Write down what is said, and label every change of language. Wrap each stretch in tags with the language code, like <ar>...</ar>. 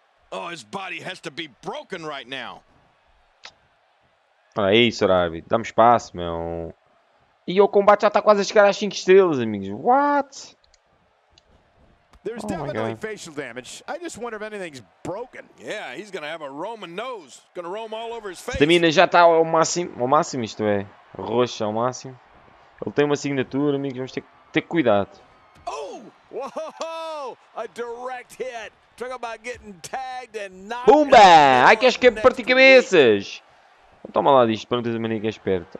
<en>Oh, his body has to be broken right now.</en> <pt>Olha aí, Sorabi. Dá-me espaço, meu. E o combate já está quase a chegar às 5 estrelas, amigos.</pt> <en>What? There's definitely facial damage. I just wonder if anything's broken. Yeah, he's gonna have a Roman nose. Gonna roam all over his face.</en> <pt>Stamina já está ao máximo. Ao máximo, isto é. Roxo ao máximo. Ele tem uma assinatura, amigos. Vamos ter cuidado.</pt> <en>Oh! Whoa! A direct hit! Talk about getting tagged and not. Bumba!</en> <pt>Ai, queres que é partir cabeças? Toma lá disto para não teres a mania que é esperto.</pt>